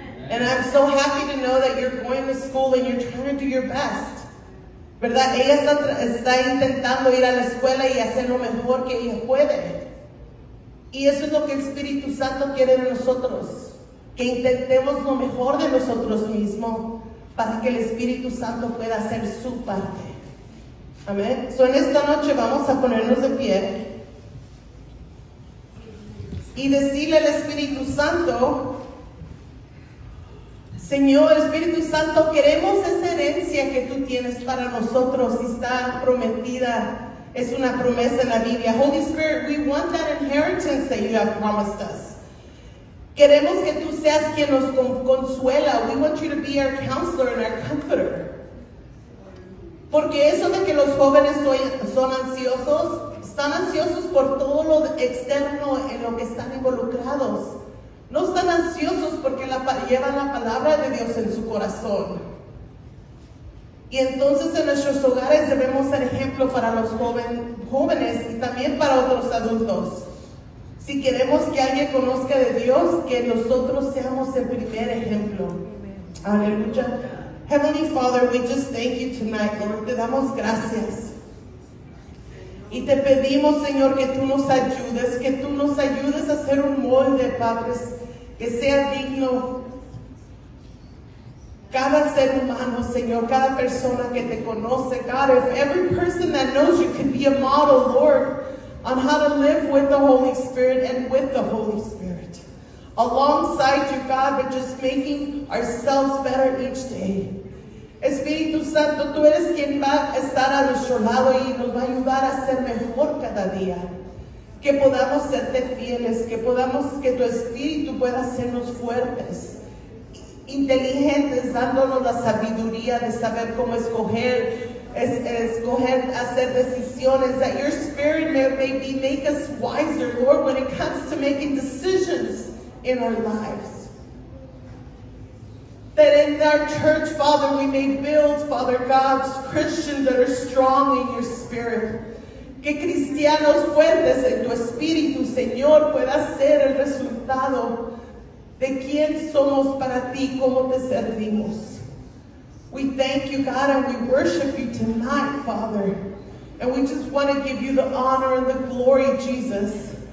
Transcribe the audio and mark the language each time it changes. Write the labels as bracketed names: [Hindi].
[English] And I'm so happy to know that you're going to school and you're trying to do your best. [Spanish] ¿Verdad? Ella está intentando ir a la escuela y hacer lo mejor que ella puede. Y eso es lo que el Espíritu Santo quiere de nosotros. Que intentemos lo mejor de nosotros mismos para que el Espíritu Santo pueda hacer su parte. Amén. So, en esta noche vamos a ponernos de pie y decirle al Espíritu Santo, Señor, Espíritu Santo, queremos esa herencia que tú tienes para nosotros y está prometida. Es una promesa en la Biblia. [English] Holy Spirit, we want that inheritance that you have promised us. [Spanish] Queremos que tú seas quien nos consuela. [English] We want you to be our counselor and our comforter. [Spanish] Porque eso de que los jóvenes son ansiosos, están ansiosos por todo lo externo en lo que están involucrados. No están ansiosos porque llevan la palabra de Dios en su corazón. Y entonces en nuestros hogares debemos ser ejemplo para los jóvenes y también para otros adultos. Si queremos que alguien conozca de Dios, que nosotros seamos el primer ejemplo. [English] Amen. Aleluya. Heavenly Father, we just thank you tonight, Lord. [Spanish] Te damos gracias. Y te pedimos, Señor, que tú nos ayudes, que tú nos ayudes a hacer un molde, Padre, que sea digno cada ser humano, Señor, cada persona que te conoce. [English] God, if every person that knows you can be a model, Lord, on how to live with the Holy Spirit and with the Holy Spirit. Alongside you, God, but just making ourselves better each day. [Spanish] Espíritu Santo, tú eres quien va a estar a nuestro lado y nos va a ayudar a ser mejor cada día. Que podamos serte fieles, que tu Espíritu pueda hacernos fuertes, inteligentes, dándonos la sabiduría de saber cómo escoger, escoger hacer decisiones. [English] That your Spirit may make us wiser, Lord, when it comes to making decisions in our lives. That in our church, Father, we may build, Father God, Christians that are strong in your spirit. [Spanish] Que cristianos fuertes en tu espíritu, Señor, pueda ser el resultado de quién somos para ti, cómo te servimos. [English] We thank you, God, and we worship you tonight, Father. And we just want to give you the honor and the glory, Jesus.